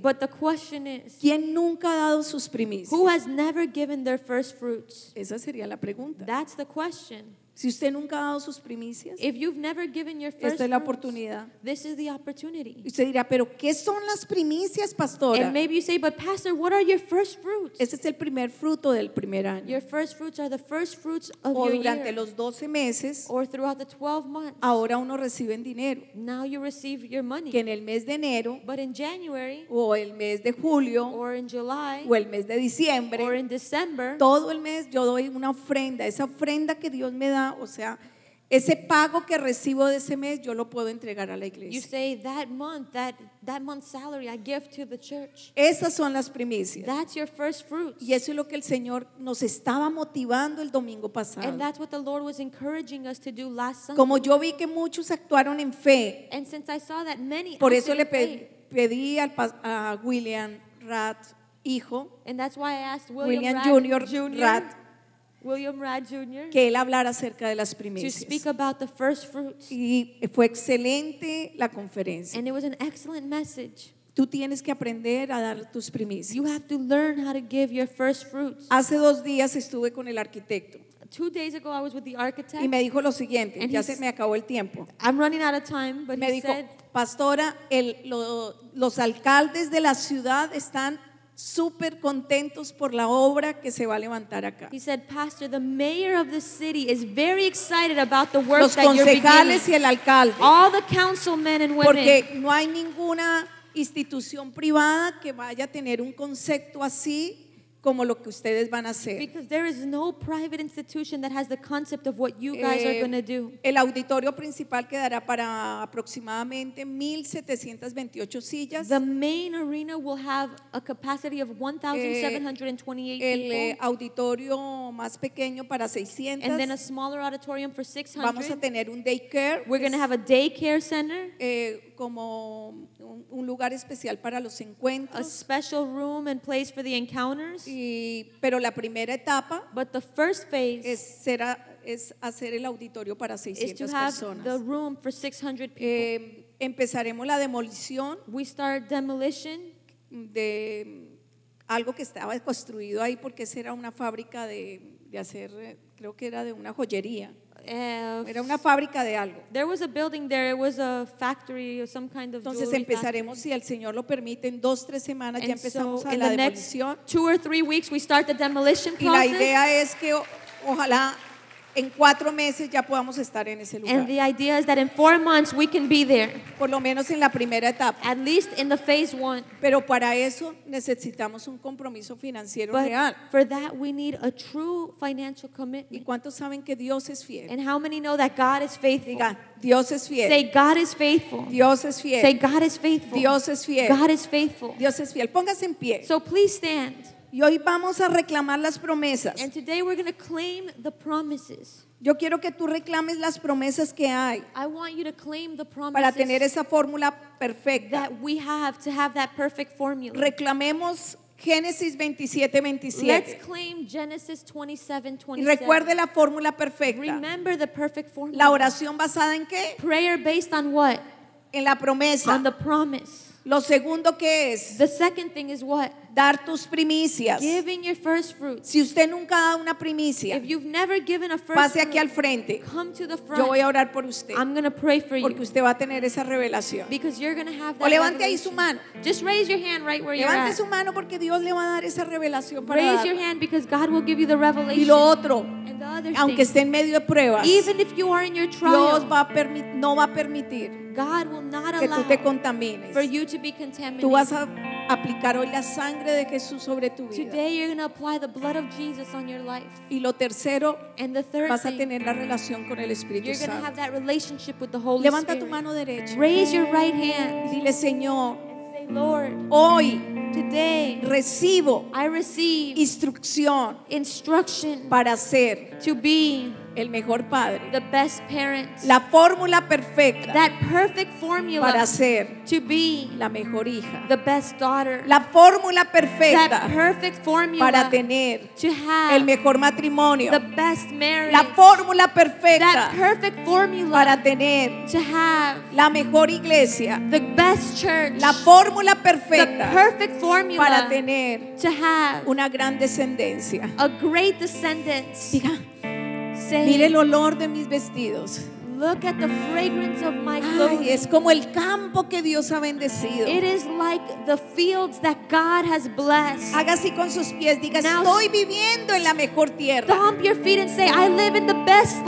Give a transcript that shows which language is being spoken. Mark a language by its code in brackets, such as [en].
[en] but the question is, [es] ¿quién nunca ha dado sus primicias? [en] Who has never given their first fruits? [es] Esa sería la pregunta. [en] That's the question. [es] Si usted nunca ha dado sus primicias, [en] if you've never given your first [es] esta es la oportunidad. [en] Fruits, this is the opportunity. [es] Y usted dirá, ¿pero qué son las primicias, pastora? [en] And maybe you say, but pastor, what are your first fruits? [es] Este es el primer fruto del primer año. [en] Your first fruits are the first fruits of [es] o [en] your [es] durante [en] year. [es] Los 12 meses, [en] or throughout the 12 months. [es] Ahora uno recibe en dinero. [en] Now you receive your money. [es] Que en el mes de enero, [en] but in January, [es] o el mes de julio, [en] or in July, [es] o el mes de diciembre, [en] or in December, [es] todo el mes yo doy una ofrenda, esa ofrenda que Dios me da. O sea, ese pago que recibo de ese mes, yo lo puedo entregar a la iglesia. [en] You say that month, that month's salary I give to the church. [es] Esas son las primicias. [en] That's your first fruits. [es] Y eso es lo que el Señor nos estaba motivando el domingo pasado. [en] And that's what the Lord was encouraging us to do last Sunday. [es] Como yo vi que muchos actuaron en fe. [en] And since I saw that many, [es] por eso le pedí al a William Rat hijo. [en] And that's why I asked William, [es] William [en] Rat, [es] Junior, [en] Rat. William Rad Jr. [es] Que él hablara acerca de las primicias. [en] To speak about the first fruits. [es] Y fue excelente la conferencia. [en] And it was an excellent message. [es] Tú tienes que aprender a dar tus primicias. [en] You have to learn how to give your first fruits. [es] Hace dos días estuve con el arquitecto. [en] 2 days ago I was with the architect. [es] Y me dijo lo siguiente. Ya se me acabó el tiempo. [en] I'm running out of time, but [es] me [en] he [es] dijo, [en] said, [es] pastora, los alcaldes de la ciudad están super contentos por la obra que se va a levantar acá. [en] He said, pastor, the mayor of the city is very excited about the work that you're beginning. [es] Los concejales y el alcalde. [en] All the councilmen and women. [es] Porque no hay ninguna institución privada que vaya a tener un concepto así como lo que ustedes van a hacer. [en] Because there is no private institution that has the concept of what you guys are going to do. [es] El auditorio principal quedará para aproximadamente 1,728 sillas. [en] The main arena will have a capacity of 1,728 [es] el [en] people. [es] El auditorio más pequeño para 600. [en] And then a smaller auditorium for 600. [es] Vamos a tener un daycare. [en] We're going to have a daycare center. [es] Como un lugar especial para los encuentros. [en] A special room and place for the encounters. [es] Pero la primera etapa, [en] but the first phase [es] es hacer el auditorio para 600 personas. [en] Is to have the room for 600 people. [es] Empezaremos la demolición. [en] We start demolition [es] de algo que estaba construido ahí porque esa era una fábrica de hacer, creo que era de una joyería. Era una fábrica de algo. [en] There was a building there. It was a factory or some kind of. [es] Entonces empezaremos [en] factory. [es] Si el Señor lo permite en 2-3 semanas [en] and [es] ya empezamos [en] so [es] a la demolición. [en] Next 2 or 3 weeks we start the demolition process. [es] Y la idea es que ojalá en 4 meses ya podamos estar en ese lugar. [en] And the idea is that in 4 months we can be there. [es] Por lo menos en la primera etapa. [en] At least in the phase one. [es] Pero para eso necesitamos un compromiso financiero [en] but real. For that we need a true financial commitment. [es] ¿Y cuántos saben que Dios es fiel? [en] And how many know that God is faithful? [es] Diga, Dios es fiel. [en] Say, God is faithful. [es] Dios es fiel. [en] Say, God is faithful. [es] Dios es fiel. [en] God is faithful. [es] Dios es fiel. Póngase en pie. [en] So please stand. [es] Y hoy vamos a reclamar las promesas. [en] And today we're going to claim the promises. [es] Yo quiero que tú reclames las promesas que hay. [en] I want you to claim the promises. [es] Para tener esa fórmula perfecta. [en] That we have to have that perfect formula. [es] Reclamemos Génesis 27:27. [en] Let's claim Genesis 27:27. [es] Y recuerde la fórmula perfecta. [en] Remember the perfect formula. [es] La oración basada en qué? [en] Prayer based on what? [es] En la promesa. [en] On the promise. [es] Lo segundo que es. [en] The second thing is what? [es] Dar tus primicias. [en] Giving your first fruits. [es] Si usted nunca ha dado una primicia, [en] if you've never given a first [es] pase aquí al frente. [en] Come to the front. [es] Yo voy a orar por usted. [en] I'm going to pray for [es] porque [en] you. [es] Porque usted va a tener esa revelación. [en] Because you're going to have that. [es] O levante [en] revelation. [es] Ahí su mano. [en] Just raise your hand right where [es] levante [en] you're at. [es] Levante su mano porque Dios le va a dar esa revelación para [en] raise [es] dar. [en] Your hand because God will give you the revelation. [es] Y lo otro. [en] And the other [es] aunque [en] thing. [es] Esté en medio de pruebas. [en] Even if you are in your trial. [es] Dios va a no va a permitir. [en] God will not [es] que [en] allow [es] tú te contamines. [en] For you to be contaminated. [es] Tú vas a aplicar hoy la sangre de Jesús sobre tu vida. [en] Today you're going to apply the blood of Jesus on your life. [es] Y lo tercero, [en] and the third [es] vas a tener la relación con el Espíritu [en] you're [es] Santo. [en] You're going to have that relationship with the Holy [es] levanta [en] Spirit. [es] Levanta tu mano derecha. [en] Raise your right hand. [es] Dile, Señor, [en] say, Lord, [es] hoy, [en] today, [es] recibo [en] I receive [es] instrucción [en] instruction [es] para ser [en] to be [es] el mejor padre, [en] the best parent, [es] la fórmula perfecta, [en] that perfect formula, [es] para ser [en] to be [es] la mejor hija, [en] the best daughter, [es] la fórmula perfecta, [en] that perfect formula, [es] para tener [en] to have [es] el mejor matrimonio, [en] the best marriage, [es] la fórmula perfecta, [en] that perfect formula, [es] para tener [en] to have [es] la mejor iglesia, [en] the best church, [es] la fórmula perfecta, [en] the perfect formula, [es] para tener [en] to have [es] una gran descendencia, [en] a great descendants. [es] Mire el olor de mis vestidos. [en] Look at the fragrance of my clothes. [es] Ay, es como el campo que Dios ha bendecido. [en] It is like the fields that God has blessed. [es] Haga así con sus pies, diga, [en] now, [es] estoy viviendo en la mejor tierra. [en] Stomp your feet and say, I live in the best land.